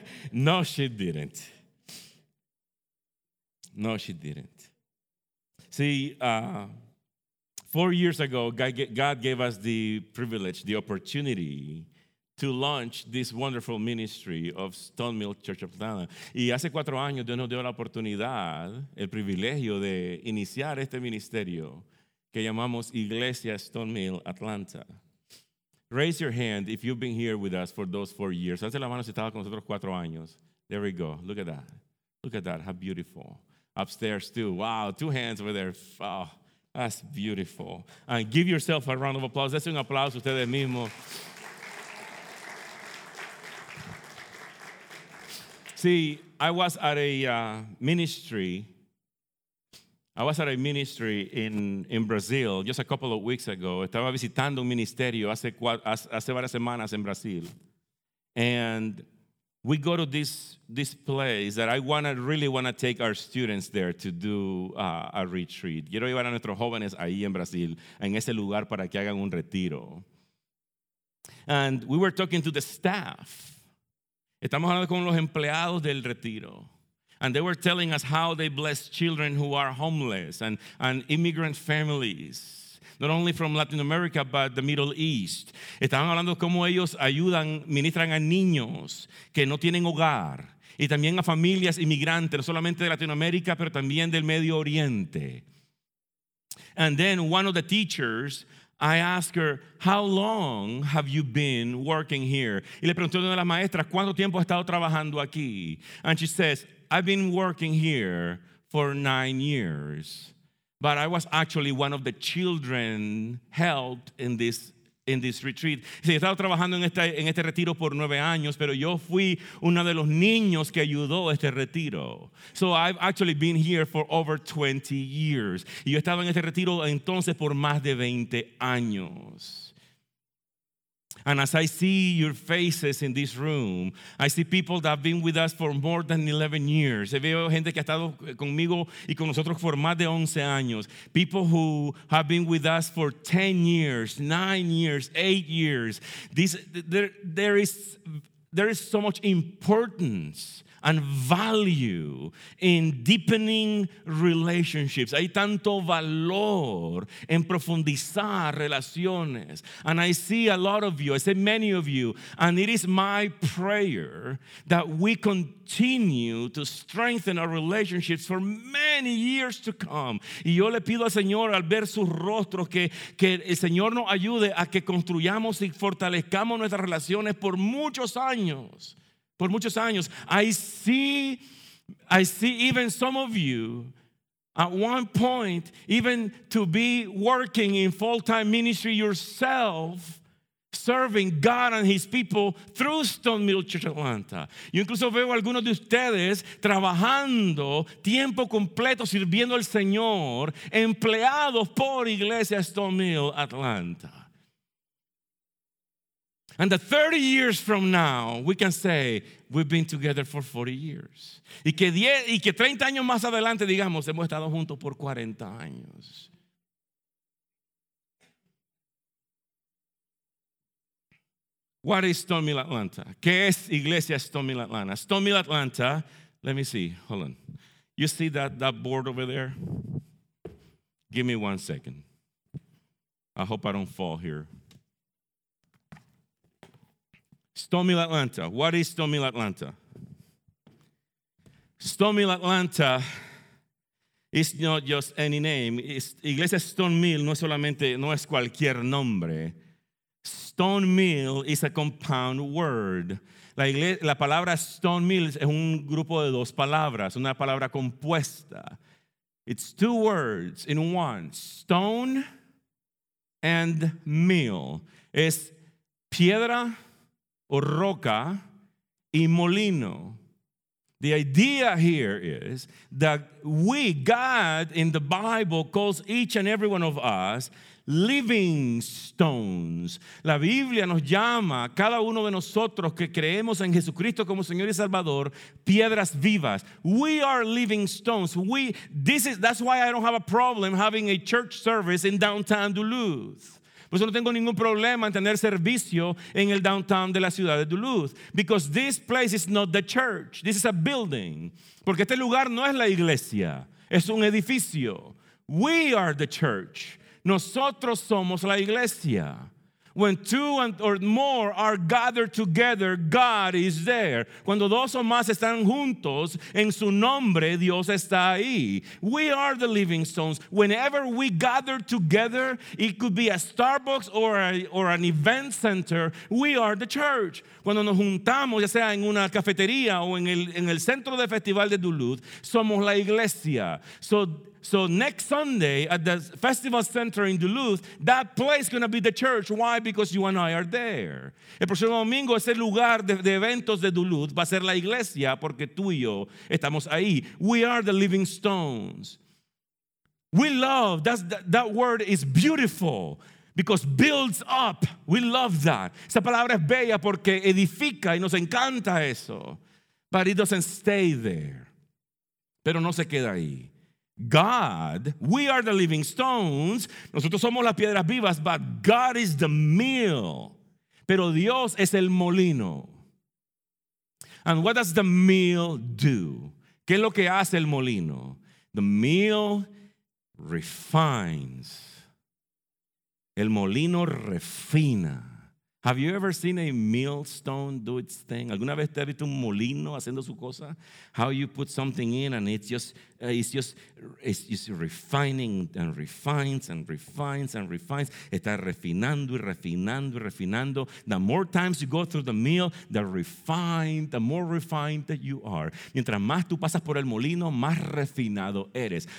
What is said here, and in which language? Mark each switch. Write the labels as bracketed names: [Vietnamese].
[English] No, she didn't. No, she didn't. See, 4 years ago, God gave us the privilege, the opportunity to launch this wonderful ministry of Stone Mill Church of Atlanta. [Spanish] Y hace 4 años Dios nos dio la oportunidad, el privilegio de iniciar este ministerio que llamamos Iglesia Stone Mill Atlanta. [English] Raise your hand if you've been here with us for those 4 years. [Spanish] Hace la mano si estaba con nosotros 4 años. [English] There we go. Look at that. Look at that. How beautiful. Upstairs too. Wow. 2 hands over there. Oh, that's beautiful. And give yourself a round of applause. [Spanish] Dese un aplauso a ustedes mismos. [English] See, I was at a ministry in Brazil just a couple of weeks ago. [Spanish] Estaba visitando un ministerio hace varias semanas en Brasil. [English] And we go to this place that I really want to take our students there to do a retreat. [Spanish] Quiero llevar a nuestros jóvenes ahí en Brasil, en ese lugar, para que hagan un retiro. [English] And we were talking to the staff. [Spanish] Estamos hablando con los empleados del retiro. [English] And they were telling us how they bless children who are homeless and immigrant families, not only from Latin America, but the Middle East. [Spanish] Estaban hablando cómo ellos ayudan, ministran a niños que no tienen hogar, y también a familias inmigrantes, no solamente de Latinoamérica, pero también del Medio Oriente. [English] And then one of the teachers, I asked her, how long have you been working here? [Spanish] Y le pregunté a una de las maestras, ¿cuánto tiempo has estado trabajando aquí? [English] And she says, I've been working here for 9 years, but I was actually one of the children helped in this retreat. [Spanish] Sí, he estado trabajando en este retiro por 9 años, pero yo fui uno de los niños que ayudó a este retiro. [English] So I've actually been here for over 20 years. [Spanish] Y yo estaba en este retiro entonces por más de 20 años. [English] And as I see your faces in this room, I see people that have been with us for more than 11 years. [Spanish] Veo gente que ha estado conmigo y con nosotros por más de 11 años. [English] People who have been with us for 10 years, 9 years, 8 years. There is so much importance and value in deepening relationships. [Spanish] Hay tanto valor en profundizar relaciones. [English] And I see a lot of you, I see many of you, and it is my prayer that we continue to strengthen our relationships for many years to come. [Spanish] Y yo le pido al Señor, al ver sus rostros, que el Señor nos ayude a que construyamos y fortalezcamos nuestras relaciones por muchos años. Por muchos años. [English] I see even some of you at one point even to be working in full-time ministry yourself, serving God and His people through Stone Mill Church Atlanta. [Spanish] Yo incluso veo algunos de ustedes trabajando tiempo completo sirviendo al Señor, empleados por Iglesia Stone Mill Atlanta. [English] And that 30 years from now, we can say, we've been together for 40 years. [Spanish] Y que 30 años más adelante, digamos, hemos estado juntos por 40 años. [English] What is Stone Mill Atlanta? [Spanish] ¿Qué es Iglesia Stone Mill Atlanta? [English] Stone Mill Atlanta, let me see, hold on. You see that board over there? Give me 1 second. I hope I don't fall here. Stone Mill Atlanta. What is Stone Mill Atlanta? Stone Mill Atlanta is not just any name. [Spanish] Iglesia Stone Mill no es solamente, no es cualquier nombre. [English] Stone Mill is a compound word. [Spanish] La palabra Stone Mill es un grupo de dos palabras, una palabra compuesta. [English] It's 2 words in one. Stone and mill. [Spanish] Es piedra o roca y molino. [English] The idea here is that God in the Bible calls each and every one of us living stones. [Spanish] La Biblia nos llama, cada uno de nosotros que creemos en Jesucristo como Señor y Salvador, piedras vivas. [English] We are living stones. That's why I don't have a problem having a church service in downtown Duluth. [Spanish] Por eso no tengo ningún problema en tener servicio en el downtown de la ciudad de Duluth. [English] Because this place is not the church. This is a building. [Spanish] Porque este lugar no es la iglesia. Es un edificio. [English] We are the church. [Spanish] Nosotros somos la iglesia. [English] When two or more are gathered together, God is there. [Spanish] Cuando dos o más están juntos, en su nombre, Dios está ahí. [English] We are the living stones. Whenever we gather together, it could be a Starbucks or an event center, we are the church. [Spanish] Cuando nos juntamos, ya sea en una cafetería o en el centro de festival de Duluth, somos la iglesia. [English] So next Sunday at the Festival Center in Duluth, that place is going to be the church. Why? Because you and I are there. [Spanish] El próximo domingo, ese lugar de eventos de Duluth va a ser la iglesia porque tú y yo estamos ahí. [English] We are the living stones. We love, that word is beautiful because builds up. We love that. [Spanish] Esa palabra es bella porque edifica y nos encanta eso. [English] But it doesn't stay there. [Spanish] Pero no se queda ahí. [English] God, we are the living stones. [Spanish] Nosotros somos las piedras vivas, [English] but God is the mill. [Spanish] Pero Dios es el molino. [English] And what does the mill do? [Spanish] ¿Qué es lo que hace el molino? [English] The mill refines. [Spanish] El molino refina. [English] Have you ever seen a millstone do its thing? [Spanish] ¿Alguna vez te has visto un molino haciendo su cosa? [English] How you put something in and it's just refining and refines and refines and refines. [Spanish] Está refinando y refinando y refinando. [English] The more times you go through the mill, the more refined that you are. [Spanish] Mientras más tú pasas por el molino, más refinado eres.